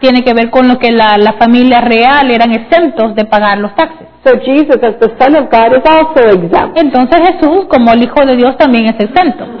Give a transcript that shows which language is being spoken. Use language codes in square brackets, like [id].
[es] Tiene que ver con lo que la familia real eran exentos de pagar los taxes. [en] So Jesus, as the Son of God, is also exempt. [es] Entonces Jesús, como el Hijo de Dios, también es exento.